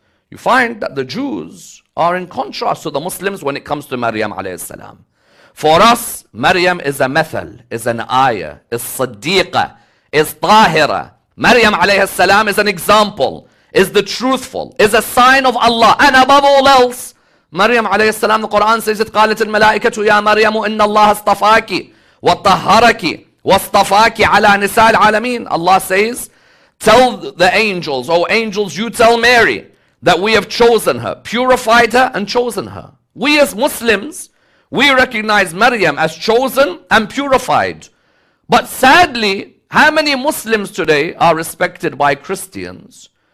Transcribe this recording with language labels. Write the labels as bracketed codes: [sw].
[en] You find that the Jews are in contrast to the Muslims when it comes to Maryam alayhi salam. For us, Maryam is a mathal, is an ayah, is siddiqa, is tahira. Maryam alayhi salam is an example, is the truthful, is a sign of Allah. And above all else, Maryam alayhi salam, the Quran says it, [ar] قالت الملائكة يا مريم إن الله اصطفاك وطهرك واصطفاك على نساء العالمين. [en] Allah says, tell the angels, O angels, you tell Mary that we have chosen her, purified her and chosen her. We as Muslims, we recognize Maryam as chosen and purified. But sadly, how many Muslims today are respected by Christians?